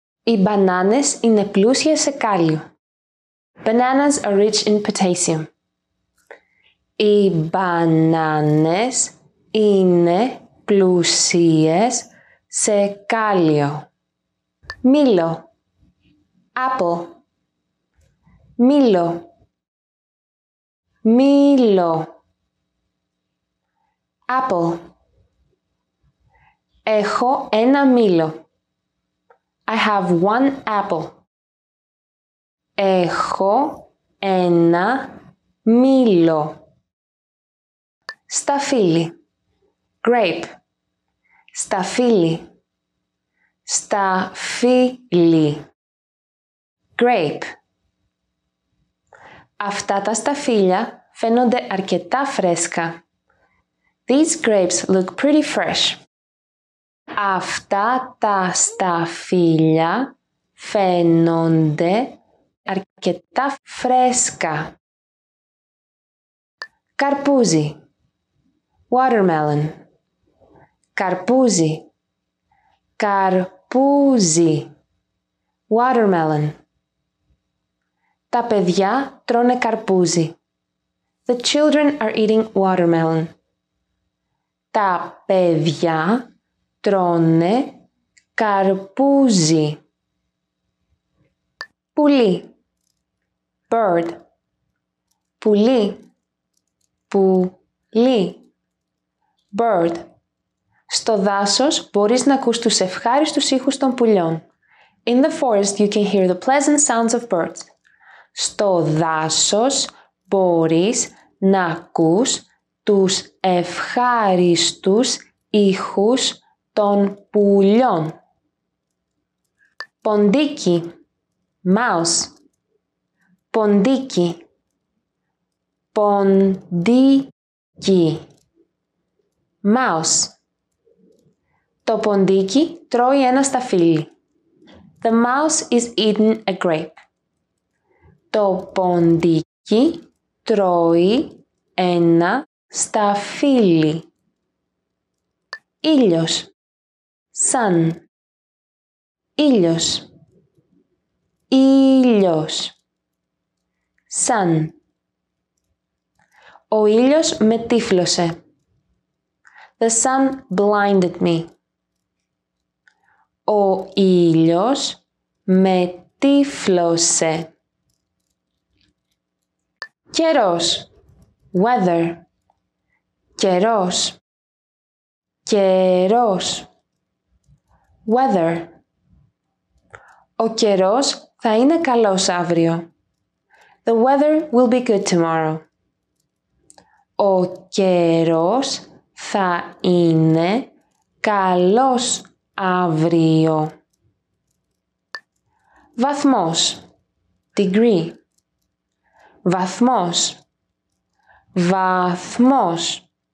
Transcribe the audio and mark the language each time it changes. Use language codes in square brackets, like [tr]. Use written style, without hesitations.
[el] Οι μπανάνες είναι πλούσια σε κάλιο. [en] Bananas are rich in potassium. [el] Οι μπανάνες είναι πλούσιες σε κάλιο. Μήλο. [en] Apple. [el] Μήλο. Μήλο. [en] Apple. [el] Έχω ένα μήλο. [en] I have one apple. [el] Έχω ένα μήλο. Σταφύλι. [en] Grape. [el] Σταφύλι. Σταφύλι. [en] Grape. [el] Αυτά τα σταφύλια φαίνονται αρκετά φρέσκα. [en] These grapes look pretty fresh. [el] Αυτά τα σταφύλια φαίνονται αρκετά φρέσκα. Καρπούζι. [en] Watermelon. [el] Καρπούζι. Καρπούζι. [en] Watermelon. [el] Τα παιδιά τρώνε καρπούζι. [en] The children are eating watermelon. [el] Τα παιδιά τρώνε καρπούζι. Πουλί. [en] Bird. [el] Πουλί. Πουλί. [en] Bird. [el] Στο δάσος μπορείς να ακούς τους ευχάριστους ήχους των πουλιών. [en] In the forest you can hear the pleasant sounds of birds. [el] Στο δάσος μπορείς να ακούς τους ευχάριστους ήχους των πουλιών. Ποντίκι. [en] Mouse. [el] Ποντίκι. Ποντίκι. [en] Mouse. [el] Το ποντίκι τρώει ένα σταφύλι. [en] The mouse is eating a grape. [el] Το ποντίκι τρώει ένα σταφύλι. Ήλιος. [en] Sun. [el] Ήλιος. Ήλιος. [en] Sun. [el] Ο ήλιος με τύφλωσε. [en] The sun blinded me. [el] Ο ήλιος με τύφλωσε. Καιρός. [en] Weather. [el] Καιρός. Καιρός. [en] Weather. [el] Ο καιρός θα είναι καλός αύριο. [en] The weather will be good tomorrow. [el] Ο καιρός θα είναι καλός αύριο. Βαθμός. [en] Degree. [el] Βαθμός. Βαθμός.